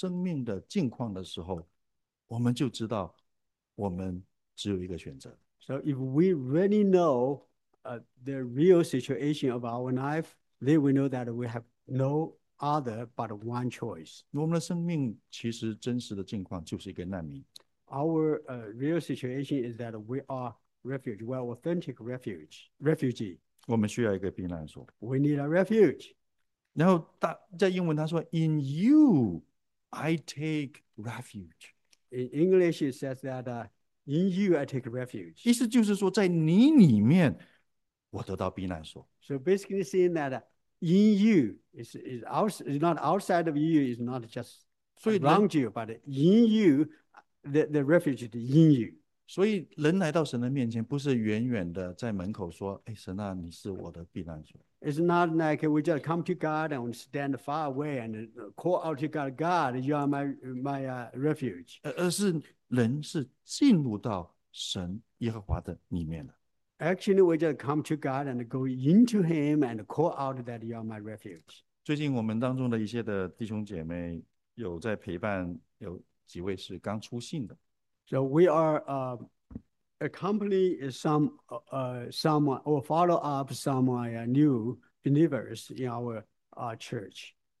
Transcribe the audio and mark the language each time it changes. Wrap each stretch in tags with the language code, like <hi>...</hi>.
<zh>如果我们知道我们真正生命的境况的时候, 我们就知道我们只有一个选择。</zh> <en>So if we really know the real situation of our life, then we know that we have no other but one choice.</en> <zh>我们的生命其实真实的境况就是一个难民。</zh> <en>Our real situation is that we are refuge, we are authentic refugee.</en> <zh>我们需要一个避难所。</zh> <en>We need a refuge.</en> <zh>然后在英文他说,</zh> <en>In you, I take refuge. In English, it says that in you, I take refuge.</en> <zh>意思就是说在你里面, 我得到避难所。</zh> <en>So basically saying that in you, is not outside of you, is not just around you, but in you, the refuge is in you.</en> <zh>所以人来到神的面前不是远远的在门口说, 哎神啊, 你是我的避难所。</zh> <en>It's not like we just come to God and stand far away and call out to God, God, you are my refuge.</en> <zh>而是人是进入到神耶和华的里面了。</zh> <en>Actually, we just come to God and go into Him and call out that you are my refuge.</en> <zh>最近我们当中的一些的弟兄姐妹有在陪伴，有几位是刚出信的。</zh> <en>So we are accompany someone or follow up someone new believers in our church.</en>